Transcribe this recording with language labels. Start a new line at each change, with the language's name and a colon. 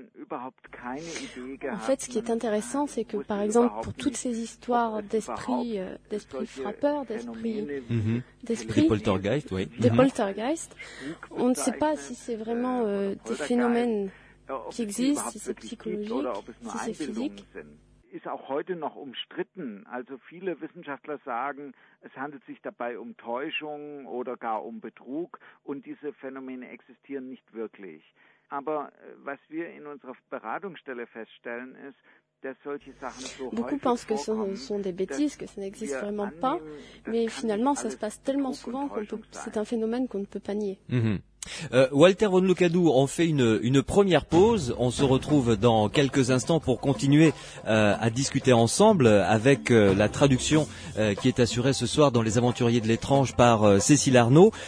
French: En fait, ce qui est intéressant, c'est que, par exemple, pour toutes ces histoires d'esprit frappeur, des poltergeists, on ne sait pas si c'est vraiment des phénomènes qui existent, si c'est psychologique, si c'est physique.
German: Ist auch heute noch umstritten. Also viele Wissenschaftler sagen, es handelt sich dabei um Täuschung oder gar um Betrug und diese Phänomene existieren nicht wirklich. Aber was wir in unserer Beratungsstelle feststellen ist, dass solche Sachen so
French: beaucoup pensent que ce sont des bêtises, que ça n'existe vraiment pas, mais finalement ça se passe tellement souvent qu'on peut, c'est un phénomène qu'on ne peut pas nier. Walter von Lukadou, on fait une première pause. On se retrouve dans quelques instants pour continuer à discuter ensemble avec la traduction qui est assurée ce soir dans Les Aventuriers de l'étrange par Cécile Arnaud.